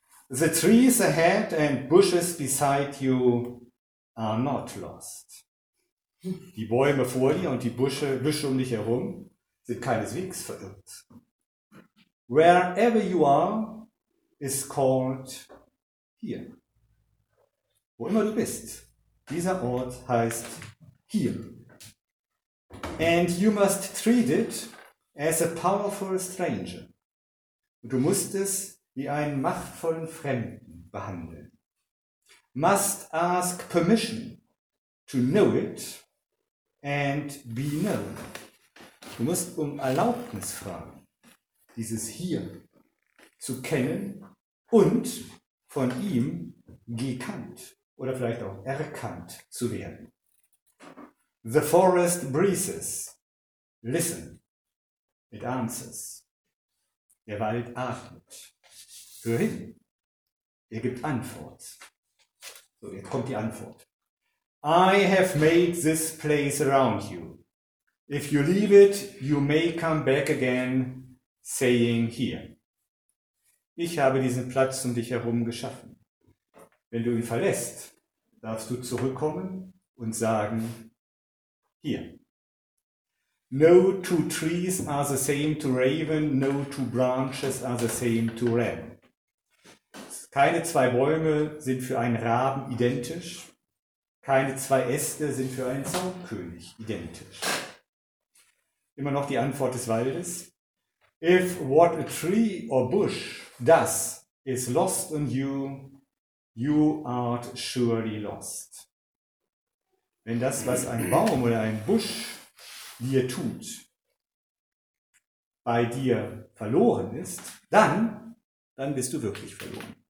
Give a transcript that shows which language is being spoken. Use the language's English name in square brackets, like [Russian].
[English] The trees ahead and bushes beside you are not lost. [German] Die Bäume vor dir und die Büsche um dich herum sind keineswegs verirrt. [English] Wherever you are is called here. [German] Wo immer du bist, dieser Ort heißt hier. [English] And you must treat it as a powerful stranger. [German] Und du musst es wie einen machtvollen Fremden behandeln. [English] Must ask permission to know it and be known. [German] Du musst um Erlaubnis fragen, dieses Hier zu kennen und von ihm gekannt oder vielleicht auch erkannt zu werden. [English] The forest breezes, listen, it answers. [German] Der Wald atmet, hör hin, er gibt Antwort. So, jetzt kommt die Antwort. [English] I have made this place around you. If you leave it, you may come back again, saying here. [German] Ich habe diesen Platz um dich herum geschaffen. Wenn du ihn verlässt, darfst du zurückkommen und sagen, hier. [English] No two trees are the same to raven, no two branches are the same to ram. [German] Keine zwei Bäume sind für einen Raben identisch. Keine zwei Äste sind für einen Zaunkönig identisch. Immer noch die Antwort des Waldes. [English] If what a tree or bush does is lost on you, you are surely lost. [German] Wenn das, was ein Baum oder ein Busch dir tut, bei dir verloren ist, dann bist du wirklich verloren.